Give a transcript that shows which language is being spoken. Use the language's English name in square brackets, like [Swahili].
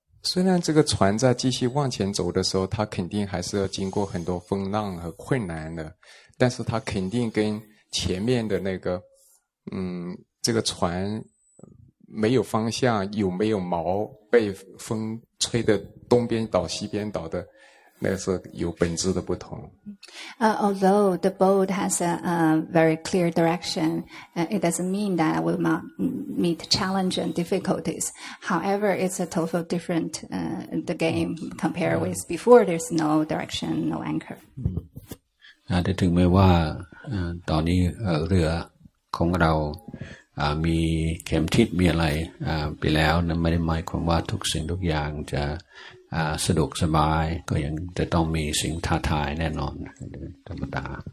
[Chinese] 虽然这个船在继续往前走的时候它肯定还是要经过很多风浪和困难的但是它肯定跟前面的那个这个船没有方向有没有锚被风吹的东边倒西边倒的那是有本质的不同。 [English] Although the boat has a very clear direction, it doesn't mean that I will not meet challenge and difficulties. However, it's a totally different the game compared with before. There's no direction, no anchor. [Thai] แต่ถึงแม้ว่าตอนนี้เรือของเรามีเข็มทิศมีอะไรไปแล้วนั้นไม่ได้หมายความว่าทุกสิ่งทุกอย่างจะสะดวกสบายก็ยังจะต้องมีสิ่งท้าทายแน่นอนธรรมดา